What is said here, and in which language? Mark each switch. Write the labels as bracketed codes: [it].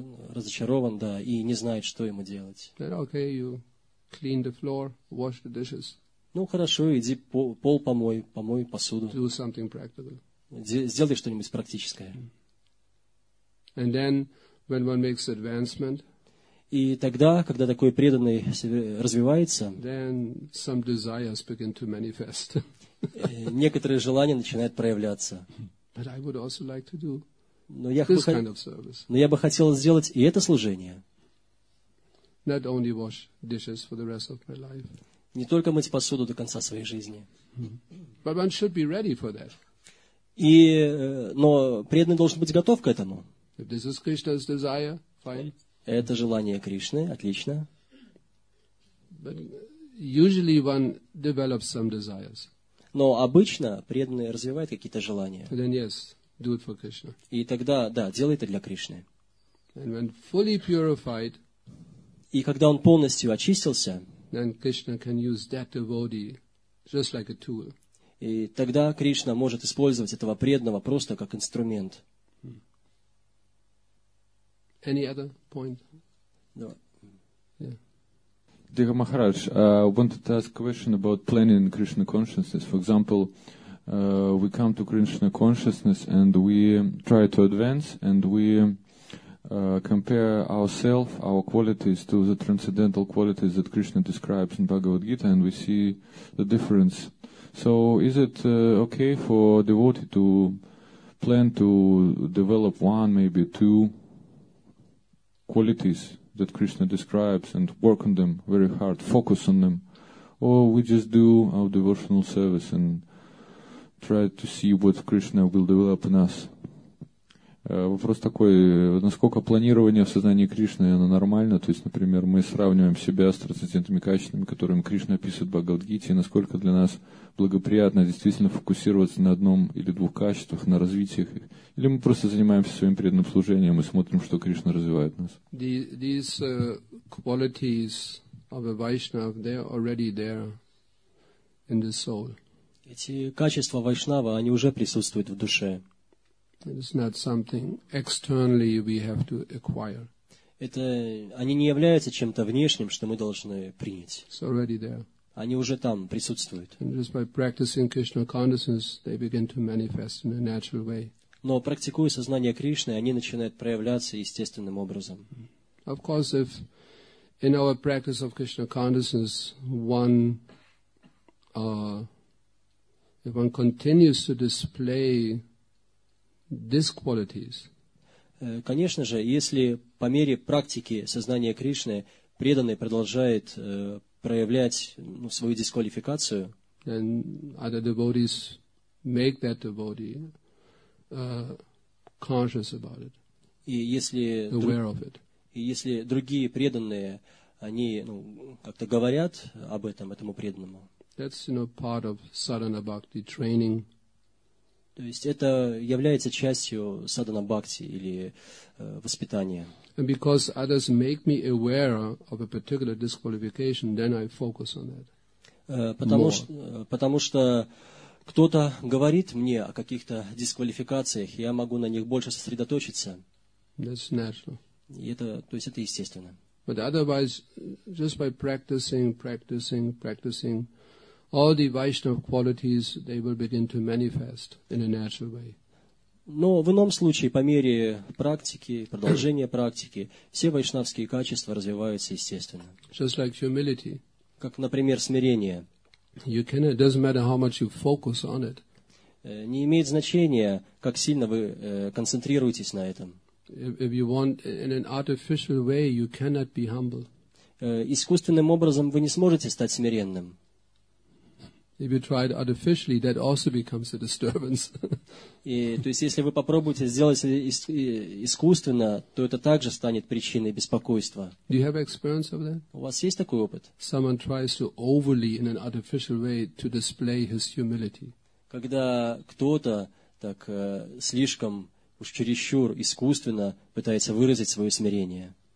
[ru] Разочарован, да, и не знает, что ему делать. [en] Okay, you clean the floor, wash the dishes. [ru] Ну, хорошо, иди пол помой, помой посуду. [en] Do something practical. [ru] Сделай что-нибудь практическое. [en] And then, when one makes advancement, [ru] и тогда, когда такой преданный развивается, некоторые желания начинают проявляться. [en] But I would also like to do this kind of service. [ru] Но я бы хотел сделать и это служение. [en] Not only wash dishes for the rest of my life. [ru] Не только мыть посуду до конца своей жизни. [en] But one should be ready for that. [ru] Но преданный должен быть готов к этому. [en] If this is Krishna's desire, fine. [ru] Это желание Кришны, отлично. [en] But usually one develops some desires. [ru] Но обычно преданные развивают какие-то желания. [en] And then yes, do it for Krishna. [ru] И тогда, да, делай это для Кришны. [en] And when fully purified, [ru] и когда он полностью очистился, [en] then Krishna can use that devotee just like a tool. [ru] И тогда Кришна может использовать этого преданного просто как инструмент. [en] Any other point? No. Yeah. Дига Махарадж, I wanted to ask a question about planning Krishna consciousness. For example, we come to Krishna consciousness and we try to advance and we compare ourselves, our qualities to the transcendental qualities that Krishna describes in Bhagavad Gita and we see the difference. So is it okay for a devotee to plan to develop one, maybe two qualities that Krishna describes and work on them very hard, focus on them, or we just do our devotional service and try to see what Krishna will develop in us? [ru] Вопрос такой, насколько планирование в сознании Кришны, оно нормально, то есть, например, мы сравниваем себя с трансцендентными качествами, которыми Кришна описывает в Бхагавад-гите, и насколько для нас благоприятно действительно фокусироваться на одном или двух качествах, на развитиях, или мы просто занимаемся своим преданным служением и смотрим, что Кришна развивает нас. [en] These qualities of a Vaishnava, they are already there in the soul. [ru] Эти качества Вайшнава, они уже присутствуют в душе. [en] It is not something externally we have to acquire. [ru] Это они не являются чем-то внешним, что мы должны принять. [en] It's already there. [ru] Они уже там присутствуют. [en] And just by practicing Krishna consciousness, they begin to manifest in a natural way. [ru] Но практикуя сознание Кришны, они начинают проявляться естественным образом. [en] Of course, if in our practice of Krishna consciousness, one if one continues to display these qualities. [ru] Конечно же, если по мере практики сознания Кришны преданный продолжает проявлять свою дисквалификацию, [en] then other devotees make that devotee conscious about it. [ru] И если другие преданные, они как-то говорят об этом, этому преданному. [en] That's part of sadhana bhakti training. [ru] То есть это является частью садхана бхакти или воспитания. [en] And because others make me aware of a particular disqualification, then I focus on that. [ru] Потому что кто-то говорит мне о каких-то дисквалификациях, я могу на них больше сосредоточиться. [en] That's natural. [ru] То есть это естественно. [en] But otherwise, just by practicing. All the Vaishnava qualities, they will begin to manifest in a natural way. [ru] Но в ином случае, по мере практики, продолжения практики, все вайшнавские качества развиваются естественно. [en] Just like humility. [ru] Как, например, смирение. [en] You can, it doesn't matter how much you focus on it. [ru] Не имеет значения, как сильно вы концентрируетесь на этом. [en] If you want, in an artificial way, you cannot be humble. [ru] Искусственным образом вы не сможете стать смиренным. [en] If you try it artificially, that also becomes a disturbance. [ru] И, то есть, если вы попробуете сделать искусственно, то это также станет причиной беспокойства. [en] Do you have experience of that? [ru] У вас есть такой опыт? [en] Someone tries to overly, in an artificial way, to display his humility. [ru] Когда кто-то так слишком уж чересчур искусственно пытается выразить свое смирение.